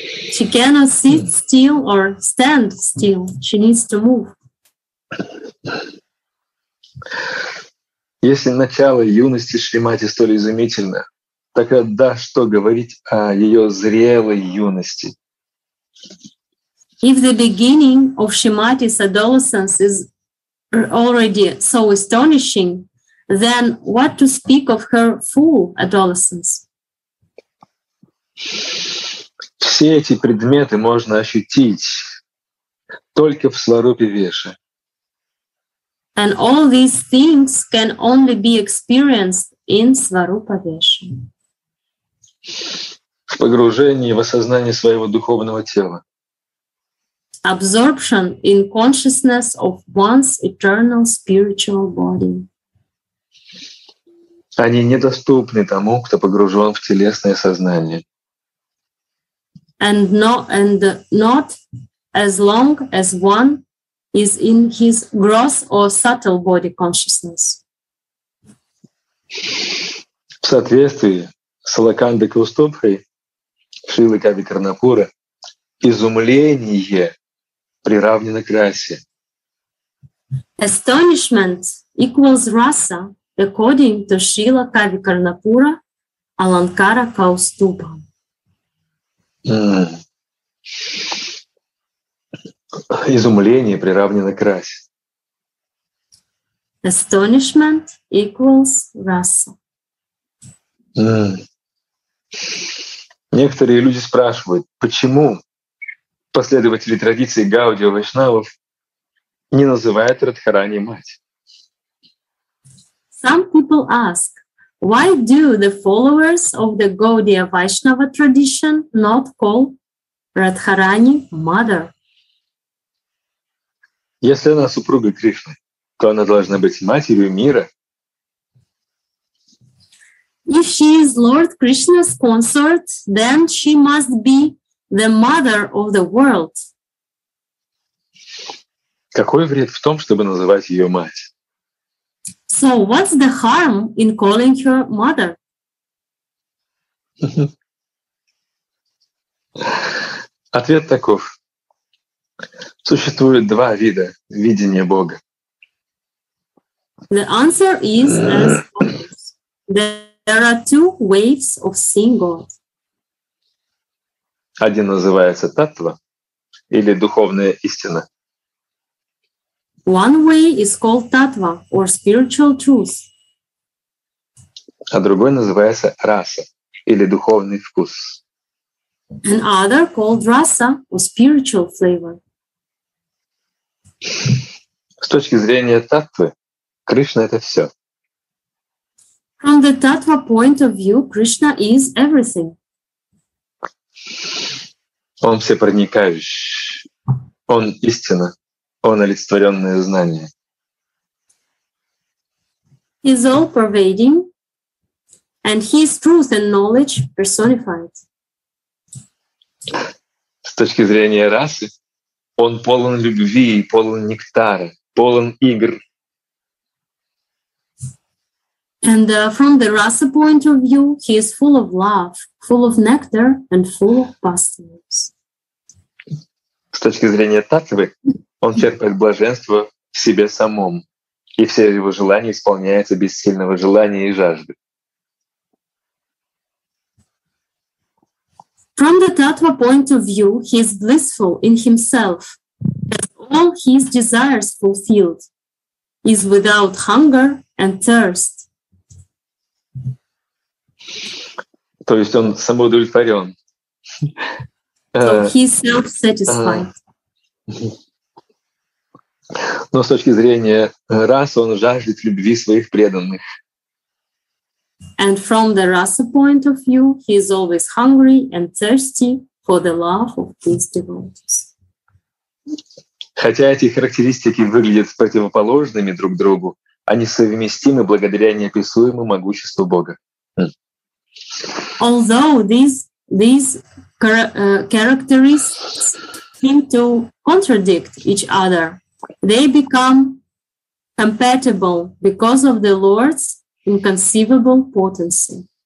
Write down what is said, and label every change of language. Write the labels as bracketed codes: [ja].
[en] She cannot sit still or stand still. She needs to move. [ru] Если начало юности Шримати столь изумительно, тогда что говорить о ее зрелой юности? [en] If the beginning of Shimati's adolescence is already so astonishing, then what to speak of her full adolescence? [ru] Все эти предметы можно ощутить только в сварупе веши. [en] And all these things can only be experienced in сварупа веши. [ru] В погружении в осознание своего духовного тела. [en] Absorption in consciousness of one's eternal spiritual body. [ru] Они недоступны тому, кто погружен в телесное сознание. [en] And not as long as one is in his gross or subtle body consciousness. [ru] В соответствии с Лаканда Каустубхой, Шрилы Кави Карнапура, изумление приравнено к расе. [en] Astonishment equals rasa, according to Шрила Кави Карнапура, Аланкара Каустубха. [ru] Изумление приравнено к расе. [en] Astonishment equals rasa. [ru] Некоторые люди спрашивают, почему последователи традиции Гаудия Вайшнавов не называют Радхарани мать? [en] Some people ask, why do the followers of the Gaudiya Vaishnava tradition not call Radharani mother? [ru] Если она супруга Кришны, то она должна быть матерью мира. [en] If she is Lord Krishna's consort, then she must be the mother of the world. [ru] Какой вред в том, чтобы называть ее мать? [en] So what's the harm in calling her mother? [ru] Ответ таков. Существует два вида видения Бога. [en] The answer is as follows. There are two ways of seeing God. [ru] Один называется таттва или духовная истина. [en] One way is called tattva or spiritual truth. [ru] А другой называется раса или духовный вкус. [en] And other called rasa or spiritual flavor. [ru] С точки зрения таттвы, Кришна — это все. [en] From the tattva point of view, Krishna is everything. [ru] Он всепроникающий. Он истина. Он олицетворённое знание. [en] He is all pervading, and he is truth and knowledge personified. [ru] С точки зрения расы, он полон любви, полон нектара, полон игр. [en] And from the rasa point of view, he is full of love, full of nectar and full of pastimes. [ru] С точки зрения таттвы, он черпает блаженство в себе самом, и все его желания исполняются без сильного желания и жажды. [en] From the tattva point of view, he is blissful in himself, as all his desires fulfilled, is without hunger and thirst. [ru] То есть он самоудовлетворен. [en] So he is self-satisfied. [ru] Но с точки зрения расы он жаждет любви своих преданных. [en] And from the rasa point of view, he is always hungry and thirsty for the love of his devotees. [ru] Хотя эти характеристики выглядят противоположными друг другу, они совместимы благодаря неописуемому могуществу Бога. [en] Although these characteristics seem to contradict each other, they become compatible because of the Lord's inconceivable potency.